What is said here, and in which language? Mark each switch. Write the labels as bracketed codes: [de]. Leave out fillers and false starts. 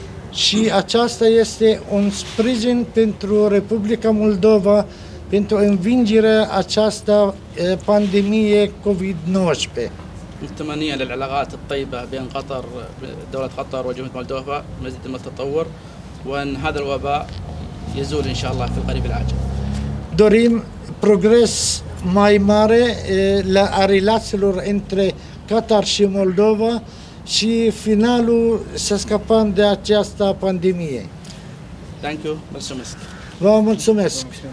[ro] Și aceasta este un sprijin pentru Republica Moldova pentru învingerea această pandemie COVID-19. Mulțumim la relațiile [ar] الطيبه بين قطر دولة قطر وجمهورية مولدوفا مزيد من التطور وان هذا الوباء يزول ان شاء الله في القريب العاجل. [ro] Dorim progres mai mare la relațiilor între Qatar și Moldova. Și finalul să scăpăm de această pandemie. [en] Thank you. [ro] Mulțumesc. Vă mulțumesc.